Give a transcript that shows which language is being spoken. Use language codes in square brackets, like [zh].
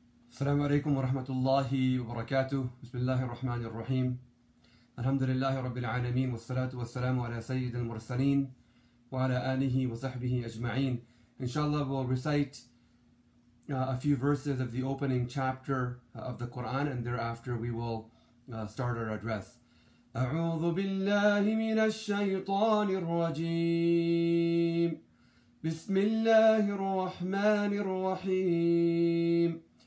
[ar] السلام عليكم ورحمة الله وبركاته. بسم الله الرحمن الرحيم. الحمد لله رب العالمين والصلاة والسلام على سيد المرسلين وعلى آله وصحبه أجمعين. [en] Inshallah, we'll recite a few verses of the opening chapter of the Quran, and thereafter we will start our address. [ar] أعوذ بالله من الشيطان الرجيم. بسم الله الرحمن الرحيم.